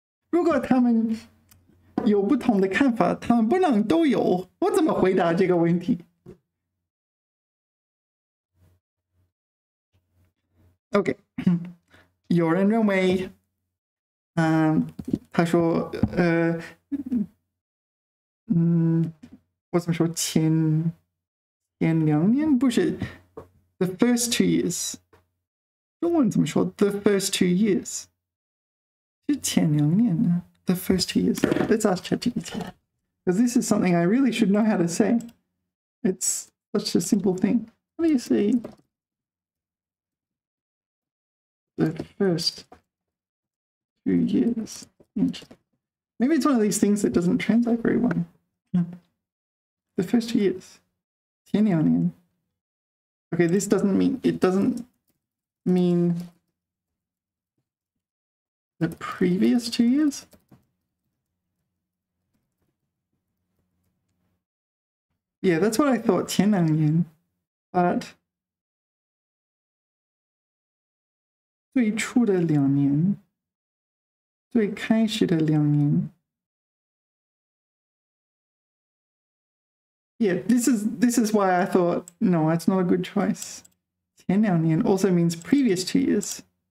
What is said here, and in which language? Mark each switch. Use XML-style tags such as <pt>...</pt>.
<zh>如果他们有不同的看法，他们不能都有，我怎么回答这个问题？ OK， 有人认为，他说，我怎么说？前两年不是</zh> <en>，the first 2 years，</en> <zh>中文怎么说</zh> <en>？the first 2 years，</en> <zh>是前两年呢</zh> <en>？the first 2 years， let's ask ChatGPT， because this is something I really should know how to say. It's such a simple thing. Let me see. The first 2 years. Maybe it's one of these things that doesn't translate very well. The first 2 years. 前两年 Okay, this doesn't mean, it doesn't mean the previous 2 years. Yeah, that's what I thought, 前两年 But...</en> <zh>最初的两年，最开始的两年。</zh> <en>Yeah, this is why I thought, no, it's not a good choice. 前两年 also means previous 2 years.</en>